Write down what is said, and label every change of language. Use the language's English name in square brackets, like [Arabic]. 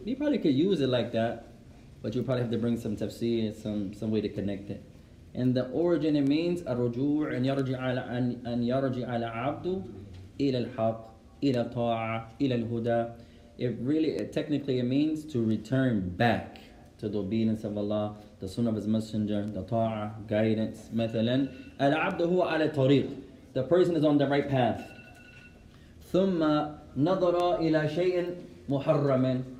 [English] You probably could use it like that, but you probably have to bring some tafsir, some way to connect it. And the origin it means [Arabic] الرجوع أن يرجع على عبده إلى الحق إلى طاعة إلى الهدى. [English] It really technically it means to return back to the obedience of Allah, the Sunnah of His Messenger, the Ta'a, guidance, مثلاً. [Arabic] العبد هو على طريق. [English] The person is on the right path. [Arabic] ثم نظر إلى شيء محرم.